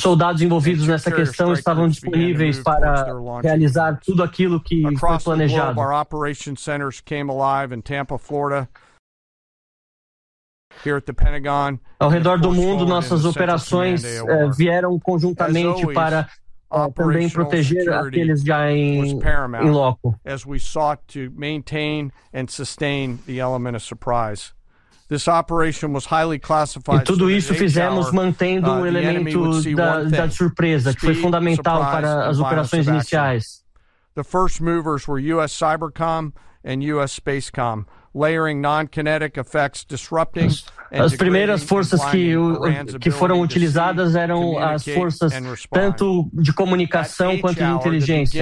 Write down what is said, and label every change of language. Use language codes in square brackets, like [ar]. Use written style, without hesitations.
[pt] Soldados envolvidos nessa questão estavam disponíveis para realizar tudo aquilo que foi planejado. [en] Our operation centers came alive in Tampa, Florida. Here at the Pentagon. [pt] Ao redor do mundo, nossas operações vieram conjuntamente para também proteger aqueles já em loco. [en] As we sought to maintain and sustain the element of surprise. This operation was highly classified. [pt] E tudo isso fizemos mantendo o elemento da surpresa, que foi fundamental para as operações iniciais. [en] The first movers were US Cybercom and US Spacecom, layering non-kinetic effects, disrupting and [pt] as primeiras forças que foram utilizadas eram as forças tanto de comunicação quanto de inteligência.